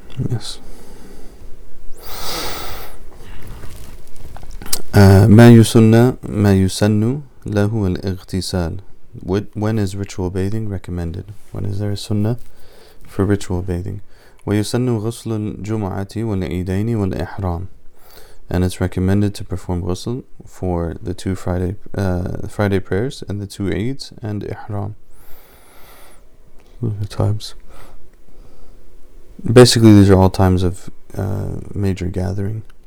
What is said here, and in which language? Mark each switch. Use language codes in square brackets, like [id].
[en] Yes. [ar] ما يسنّ له الاغتسال. [en] When is ritual bathing recommended? When is there a sunnah for ritual bathing? [ar] ويسنّ غسل الجمعة والعيدين والإحرام. [en] And it's recommended to perform ghusl for the two Friday prayers and the two Eids and Ihram. The times. Basically, these are all times of major gathering.